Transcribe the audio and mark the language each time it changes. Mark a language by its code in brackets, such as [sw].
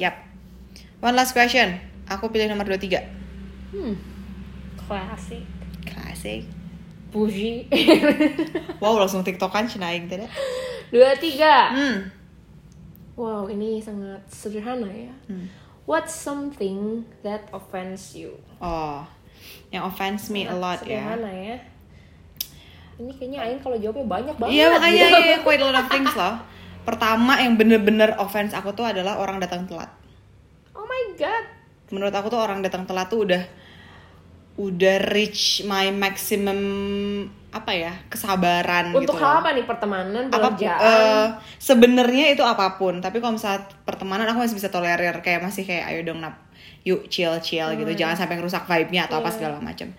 [en] Yep. One last question, [id] aku pilih nomor 23. [en] Classic. [id] Bougie. Wow, langsung TikTokan naik tadi. 23. Wow, ini sangat sederhana ya. [en] What's something that offends you? [id] Oh, yang [en] offends me a lot [id] ya. Sederhana ya. Ini kayaknya Aing kalau jawabnya banyak banget. Iya, makanya [en] quite a lot of things [id] loh. Pertama yang bener-bener offense aku tuh adalah orang datang telat. [en] Oh my god. [id] Menurut aku tuh orang datang telat tuh udah [en] reach my maximum [id] apa ya, kesabaran untuk gitu. Untuk apa nih, pertemanan, pekerjaan? Sebenarnya itu apapun, tapi kalau misalnya pertemanan aku masih bisa tolerir, kayak masih kayak ayo dong nap, yuk chill gitu, jangan sampai ngerusak vibe-nya atau apa segala macam.